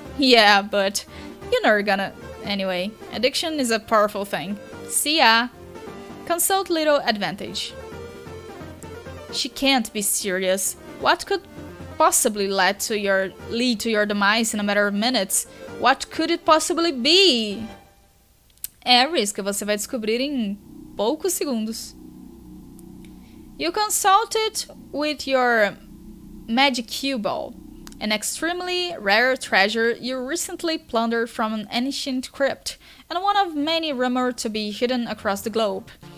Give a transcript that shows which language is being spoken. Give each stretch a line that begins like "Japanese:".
English: Yeah, but you're never gonna... Anyway, addiction is a powerful thing. See ya. Consult little advantage. She can't be serious. What could possibly lead to your demise in a matter of minutes? What could it possibly be?
Portuguese: É, Vriska, você vai descobrir em poucos segundos.
English: You consulted with your magic cue ball, an extremely rare treasure you recently plundered from an ancient crypt, and one of many rumored to be hidden across the globe.